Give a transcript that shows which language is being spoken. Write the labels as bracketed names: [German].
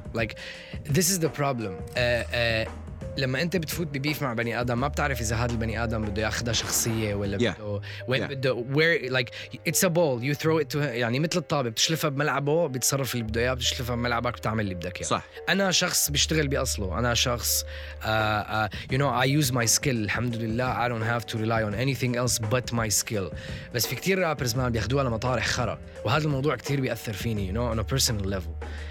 [English] Like this is the problem. [Arabic] لما أنت بتفوت ببيف مع بني آدم ما بتعرف إذا هذا البني آدم بده يأخذها شخصية ولا بده [English] where, like it's a ball, you throw it to him, [Arabic] يعني مثل الطابة بتشلفها بملعبه بتصرف اللي بده إياه, بتشلفها بملعبك بتعمل اللي بدك إياه. صح. أنا شخص بيشتغل بأصله, أنا شخص [English] you know I use my skill, [Arabic] الحمد لله [English] I don't have to rely on anything else but my skill. [Arabic] بس في كتير رابرز ما بياخدوها لمطارح خرا, وهذا الموضوع كتير بيأثر فيني, [English] you know, on a personal level.